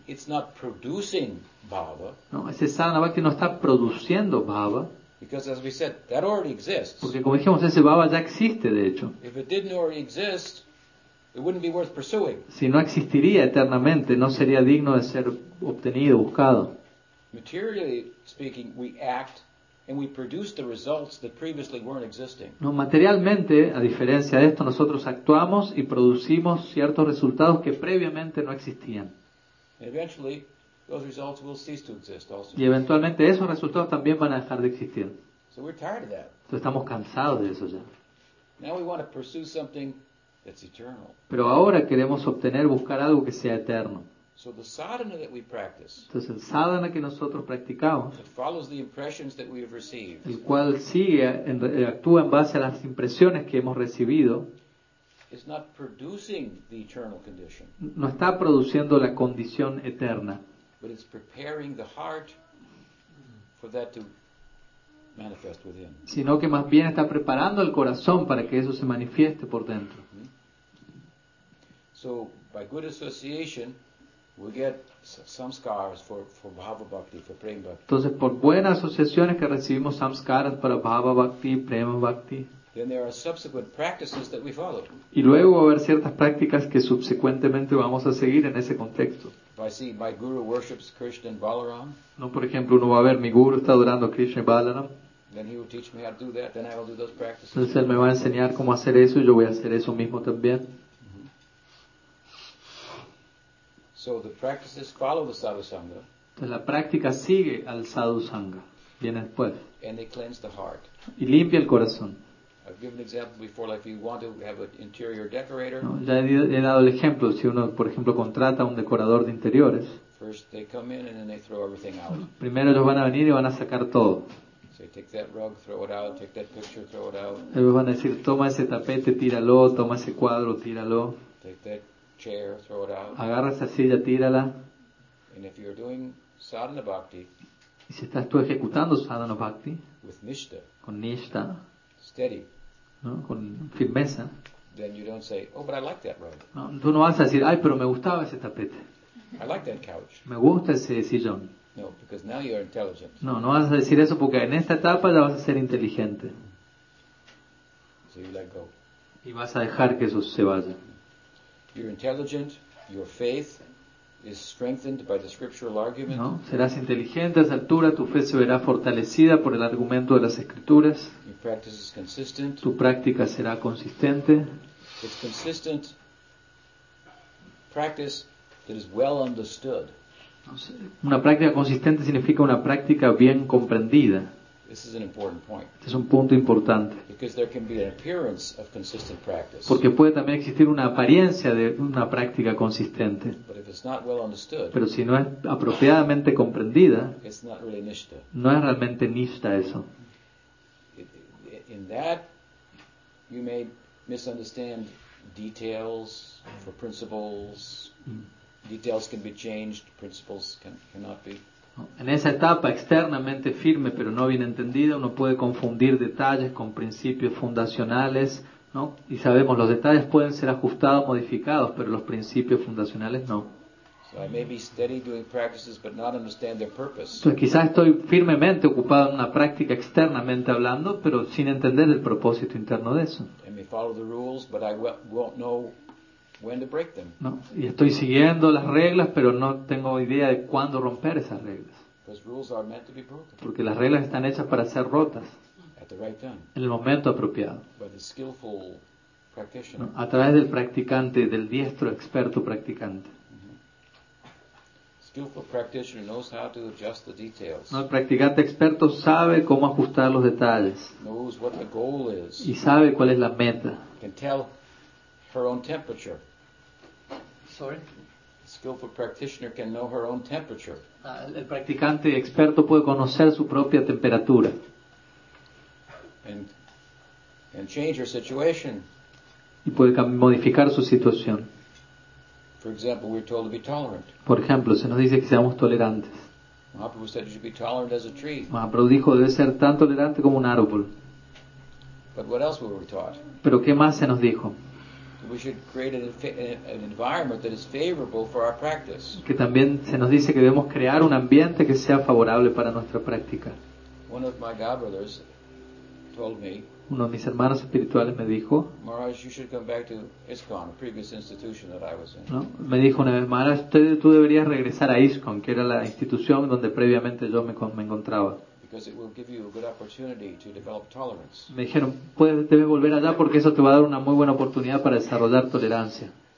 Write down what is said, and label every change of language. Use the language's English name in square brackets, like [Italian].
[English] It's not producing bhava. [Spanish] No, ese sadhana bhakti no está produciendo bhava. [English] Because as we said, that already exists. [Spanish] Porque como dijimos, ese bhava ya existe, de hecho. [English] If it didn't already exist, it wouldn't be worth pursuing. [Spanish] Si no existiría eternamente, no sería digno de ser obtenido, buscado. [English] Materially speaking, we act and we produce the results that previously weren't existing. [Spanish] No, materialmente, a diferencia de esto, nosotros actuamos y producimos ciertos resultados que previamente no existían. [English] And eventually, those results will cease to exist also. [Spanish] Y eventualmente esos resultados también van a dejar de existir. [English] So we're tired of that. [Spanish] Entonces estamos cansados de eso ya. [English] Now we want to pursue something that's eternal. [Spanish] Pero ahora queremos obtener, buscar algo que sea eterno. [English] So the sadhana that we practice, [Spanish] entonces el sadhana que nosotros practicamos, [English] it follows the impressions that we have received, [Spanish] el cual sigue, actúa en base a las impresiones que hemos recibido, [English] is not producing the eternal condition. [Spanish] No está produciendo la condición eterna. [English] But it's preparing the heart for that to manifest within. [Spanish] Sino que más bien está preparando el corazón para que eso se manifieste por dentro. [English] So by good association, we get some scars for bhava bhakti, for prema bhakti. [Spanish] Entonces por buenas asociaciones que recibimos samskaras para bhava bhakti, prema bhakti. [English] Then there are subsequent practices that we follow. [Spanish] Y luego va a haber ciertas prácticas que subsecuentemente vamos a seguir en ese contexto. [English] If I see my guru worships Krishna and Balaram, [Spanish] no, por ejemplo, uno va a ver mi guru está adorando a Krishna y Balaram. [English] Then he will teach me how to do that. Then I will do those practices. [Spanish] Entonces él me va a enseñar cómo hacer eso y yo voy a hacer eso mismo también. [English] So the practices follow the sadhu sangha. [Spanish] Entonces la práctica sigue al sadhu sangha. Viene después. [English] And they cleanse the heart. [Spanish] Y limpia el corazón. [English] I've given an example before, like if you want to have an interior decorator. [Spanish] No, ya he dado el ejemplo, si uno, por ejemplo, contrata un decorador de interiores. [English] First they come in and then they throw everything out. [Spanish] Primero ellos van a venir y van a sacar todo. [English] Say, take that rug, throw it out, take that picture, throw it out. [Spanish] Ellos van a decir, toma ese tapete, tíralo, toma ese cuadro, tíralo. [English] Take that chair, throw it out. [Spanish] Agarra esa silla, tírala. [English] And if you're doing sadhana bhakti, [Spanish] y si estás tú ejecutando sadhana bhakti, [English] with nishta, [Spanish] con nishta, [English] steady, [Spanish] ¿no? Con firmeza, [English] then you don't say, oh, but I like that rug. [Spanish] No, tú no vas a decir, ay, pero me gustaba ese tapete. [English] I like that couch. [Spanish] Me gusta ese sillón. [English] No, because now you're intelligent. [Spanish] No, no vas a decir eso porque en esta etapa ya vas a ser inteligente. [English] So you let go. [Spanish] Y vas a dejar que eso se vaya. [English] You're intelligent, your faith is strengthened by the scriptural argument. [Spanish] No, serás inteligente a esa altura, tu fe se verá fortalecida por el argumento de las escrituras. [English] Your practice is consistent. [Spanish] Tu práctica será consistente. [English] It's consistent practice that is well understood. [Spanish] Una práctica consistente significa una práctica bien comprendida. [English] This is an important point. [Spanish] Este es un punto importante. [English] Because there can be an appearance of consistent practice. [Spanish] Porque puede también existir una apariencia de una práctica consistente. [English] But if it's not well understood, [Spanish] pero si no es apropiadamente comprendida, [English] it's not really nishta. [Spanish] No es realmente nishta eso. [English] In that, you may misunderstand details for principles. Details can be changed, principles cannot be. [Spanish] En esa etapa externamente firme pero no bien entendida, uno puede confundir detalles con principios fundacionales, ¿no? Y sabemos, los detalles pueden ser ajustados, modificados, pero los principios fundacionales no. [English] So I may be steady doing practices but not understand their purpose. [Spanish] Entonces, quizás estoy firmemente ocupado en una práctica externamente hablando, pero sin entender el propósito interno de eso. [English] I may follow the rules, but I won't know when to break them. [Spanish] No, y estoy siguiendo las reglas, pero no tengo idea de cuándo romper esas reglas. [English] Because rules are meant to be broken. [Spanish] Porque las reglas están hechas para ser rotas. [English] At the right time. [Spanish] En el momento apropiado. [English] By the skillful practitioner. No, [Spanish] a través del practicante, del diestro experto practicante. Mm-hmm. [English] Skillful practitioner knows how to adjust the details. [Spanish] No, el practicante experto sabe cómo ajustar los detalles. [English] Knows what the goal is. [Spanish] Y sabe cuál es la meta. [English] Can tell her own temperature. Sorry? A skillful practitioner can know her own temperature. [Spanish] El practicante experto puede conocer su propia temperatura. [English] And change her situation. [Spanish] Y puede modificar su situación. [English] For example, we're told to be tolerant. [Spanish] Por ejemplo, se nos dice que seamos tolerantes. [English] Mahaprabhu said you should be tolerant as a tree. [Spanish] Mahaprabhu dijo debe ser tan tolerante como un árbol. [English] But what else were we taught? [Spanish] Pero ¿qué más se nos dijo? [English] We should create an environment that is favorable for our practice. [Spanish] Que también se nos dice que debemos crear un ambiente que sea favorable para nuestra práctica. [English] One of my godbrothers told me. [Spanish] Uno de mis hermanos espirituales me dijo. [English] Maharaj, you should come back to ISKCON, a previous institution that I was in. [Spanish] No, me dijo una vez, Maharaj, tú deberías regresar a ISKCON, que era la institución donde previamente yo me encontraba. [English] Because it will give you a good opportunity to develop tolerance. [Spanish] Me dijeron, debes volver allá porque eso te va a dar una muy buena oportunidad para desarrollar tolerancia.